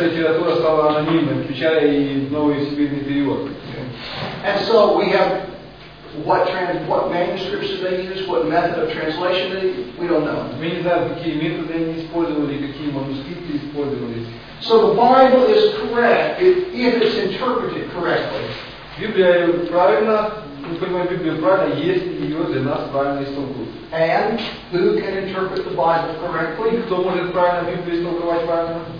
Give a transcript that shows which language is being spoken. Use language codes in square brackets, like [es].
[ru] литература стала анонимной, включая и новый сибирный период. [en] And so we have what manuscripts did they use? What method of translation did they use? We don't know. [ru] Мы не знаем, какие методы они использовали, какие манускрипты использовали. [en] So the Bible is correct if it's interpreted correctly. [ru] Библия правильна, понимаем Библию правильно, если ее для нас правильно истолкуют. [en] And who can interpret the Bible correctly? [ru] Кто может правильно Библию истолковать правильно?